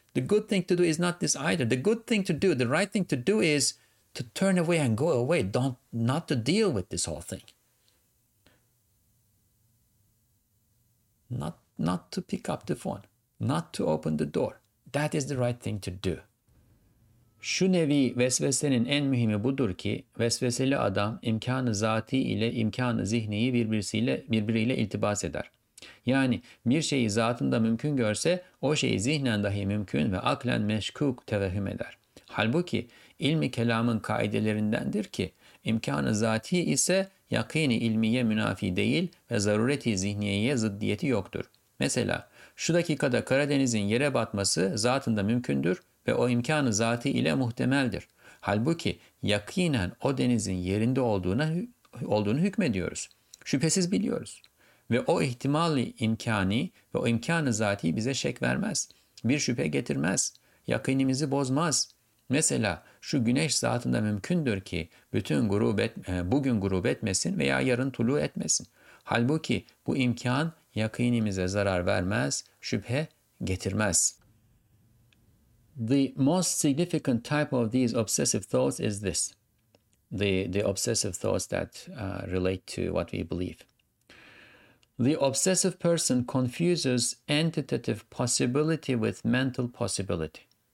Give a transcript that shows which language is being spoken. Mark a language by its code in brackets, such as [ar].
[en] The good thing to do is not this either. The good thing to do, the right thing to do, is to turn away and go away, not to deal with this whole thing. Not to pick up the phone, not to open the door. That is the right thing to do. [tr] Şu nevi vesvesenin en mühimi budur ki, vesveseli adam imkanı zati ile imkanı zihniyi birbiriyle iltibas eder. Yani bir şeyi zatında mümkün görse, o şeyi zihnen dahi mümkün ve aklen meşkuk tevehüm eder. Halbuki ilmi kelamın kaidelerindendir ki, imkanı zati ise yakini ilmiye münafi değil ve zarureti zihniyeye zıddiyeti yoktur. Mesela, şu dakikada Karadeniz'in yere batması zatında mümkündür ve o imkanı zati ile muhtemeldir. Halbuki yakinen o denizin yerinde olduğunu hükmediyoruz. Şüphesiz biliyoruz. Ve o ihtimali imkani ve o imkanı zati bize şek vermez. Bir şüphe getirmez. Yakinimizi bozmaz. Mesela şu güneş zatında mümkündür ki bugün gurub etmesin veya yarın tulu etmesin. Halbuki bu imkan yakinimize zarar vermez, şüphe getirmez. [en] The most significant type of these obsessive thoughts is this. The obsessive thoughts that relate to what we believe. The obsessive person confuses entitative possibility with mental possibility.